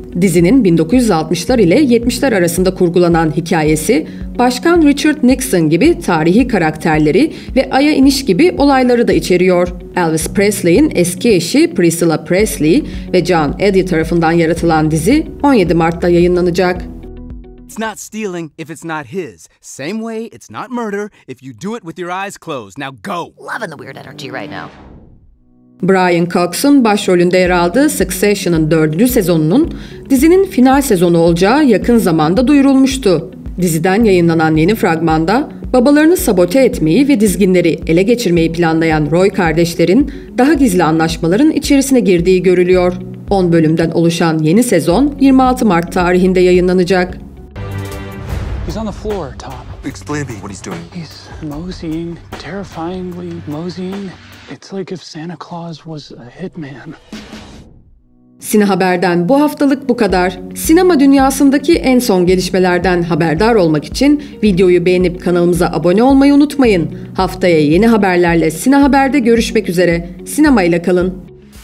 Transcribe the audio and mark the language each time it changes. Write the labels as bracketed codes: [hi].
[tr] Dizinin 1960'lar ile 70'ler arasında kurgulanan hikayesi, Başkan Richard Nixon gibi tarihi karakterleri ve Ay'a iniş gibi olayları da içeriyor. Elvis Presley'in eski eşi Priscilla Presley ve John Eddy tarafından yaratılan dizi 17 Mart'ta yayınlanacak. [en] It's not stealing if it's not his. Same way, it's not murder if you do it with your eyes closed. Now go. Loving the weird energy right now. [tr] Brian Cox'un başrolünde yer aldığı Succession'ın 4. sezonunun dizinin final sezonu olacağı yakın zamanda duyurulmuştu. Diziden yayınlanan yeni fragmanda babalarını sabote etmeyi ve dizginleri ele geçirmeyi planlayan Roy kardeşlerin daha gizli anlaşmaların içerisine girdiği görülüyor. 10 bölümden oluşan yeni sezon 26 Mart tarihinde yayınlanacak. [en] He's on the floor, Tom. Explain to me what he's doing. He's moseying, terrifyingly moseying. It's like if Santa Claus was a hitman. [tr] Sine Haber'den bu haftalık bu kadar. Sinema dünyasındaki en son gelişmelerden haberdar olmak için videoyu beğenip kanalımıza abone olmayı unutmayın. Haftaya yeni haberlerle Sine Haber'de görüşmek üzere. Sinemayla kalın.